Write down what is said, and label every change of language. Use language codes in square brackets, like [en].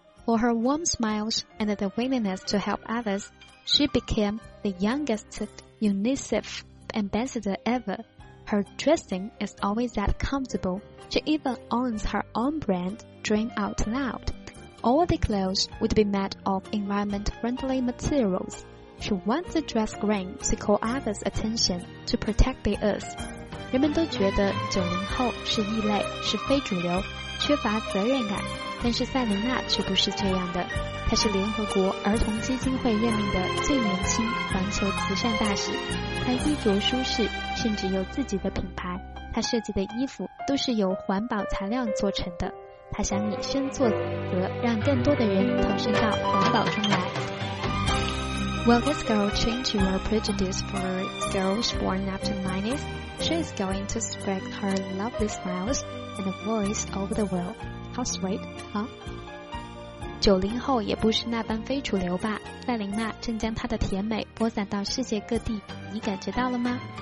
[en] For her warm smiles and the willingness to help others, she became the youngest UNICEF ambassador ever. Her dressing is always that comfortable. She even owns her own brand, Dream Out Loud. All the clothes would be made of environment-friendly materials. She wants to dress green to call others' attention to protect the earth. [zh] 人们都觉得90后是异类，是非主流，缺乏责任感，但是塞琳娜却不是这样的。她是联合国儿童基金会任命的最年轻环球慈善大使，她衣着舒适，甚至有自己的品牌，她设计的衣服都是由环保材料做成的。她想以身作则，让更多的人投身到环保中来。 [en] Will this girl change your prejudice for girls born after 90s? She is going to spread her lovely smiles and voice over the world. How sweet, huh? [zh] 90后也不是那般非主流吧，塞琳娜正将她的甜美播散到世界各地，你感觉到了吗？